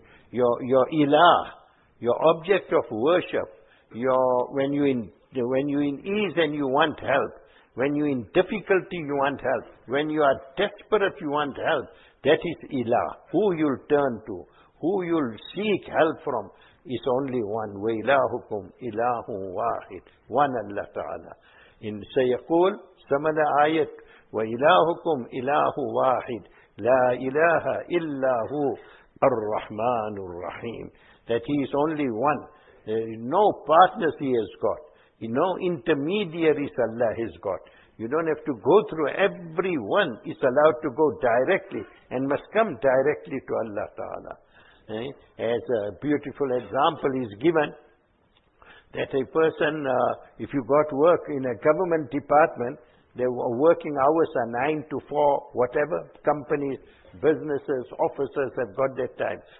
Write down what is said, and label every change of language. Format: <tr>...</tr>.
<en>Your ilah, your object of worship, when you're in ease and you want help, when you're in difficulty you want help, when you are desperate you want help, that is ilah. Who you'll turn to, who you'll seek help from, is only one.</en> <ar>وَإِلَاهُكُمْ إِلَاهُ وَاحِدٌ.</ar> <en>One Allah Ta'ala.</en> <ar>In Sayyakul, Samala Ayat, وَإِلَاهُكُمْ إِلَاهُ وَاحِدٌ لَا إِلَاهَ إِلَّا هُوَ الرَّحْمَنُ الرَّحِيمُ.</ar> <en>That He is only one. No partners He has got. No intermediaries Allah has got. You don't have to go through everyone. Is allowed to go directly and must come directly to Allah Ta'ala. As a beautiful example is given, that a person, if you got work in a government department, their working hours are 9 to 4, whatever companies, businesses, officers have got that time.</en>